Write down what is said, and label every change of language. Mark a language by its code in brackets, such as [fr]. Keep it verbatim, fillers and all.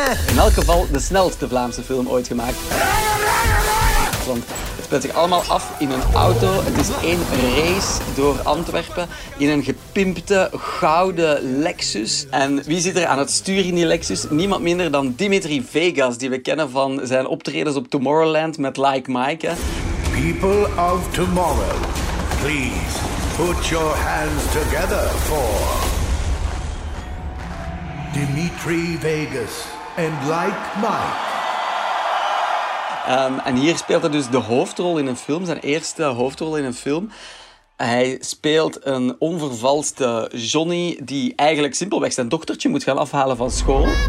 [nl] In elk geval de snelste Vlaamse film ooit gemaakt. Want het speelt zich allemaal af in een auto. Het is één race door Antwerpen in een gepimpte, gouden Lexus. En wie zit er aan het stuur in die Lexus? Niemand minder dan Dimitri Vegas, die we kennen van zijn optredens op Tomorrowland met Like Mike. [en] People of tomorrow, please put your hands together for Dimitri Vegas and Like Mike. [nl] Um, en hier speelt hij dus de hoofdrol in een film, zijn eerste hoofdrol in een film. Hij speelt een onvervalste Johnny die eigenlijk simpelweg zijn dochtertje moet gaan afhalen van school.